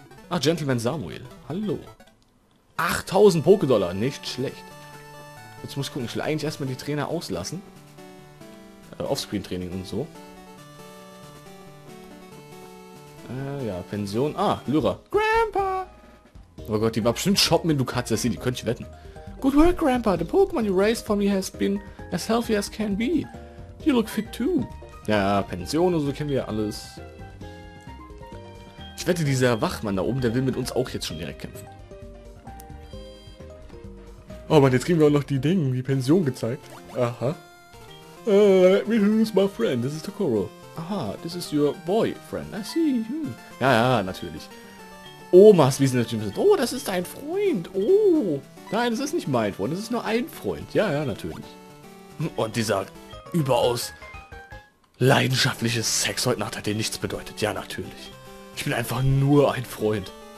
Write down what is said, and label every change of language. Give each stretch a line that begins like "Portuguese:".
German: Ach, Gentleman Samuel. Hallo. 8000 Pokédollar. Nicht schlecht. Jetzt muss ich gucken. Ich will eigentlich erstmal die Trainer auslassen. Offscreen Training und so. Ja, Pension. Ah, Lyra.
English: Grandpa! Oh Gott, die war bestimmt shoppen in Dukatia City. Die könnte ich wetten. Good work, Grandpa. The Pokémon you raised for me has been as healthy as can be. You look fit too.
German: Ja, Pension und so kennen wir ja alles. Ich wette, dieser Wachmann da oben, der will mit uns auch jetzt schon direkt kämpfen. Oh Mann, jetzt kriegen wir auch noch die Dinge, die Pension gezeigt. Aha.
English: Let me introduce my friend. This is Tokoro. Aha, this is your boyfriend. I see.
German: Hm. Ja, ja, natürlich. Omas, wie sie natürlich sind. Oh, das ist dein Freund. Oh. Nein, das ist nicht mein Freund. Das ist nur ein Freund. Ja, ja, natürlich. Und dieser überaus leidenschaftliche Sex heute Nacht hat dir nichts bedeutet. Ja, natürlich. Ich bin einfach nur ein Freund.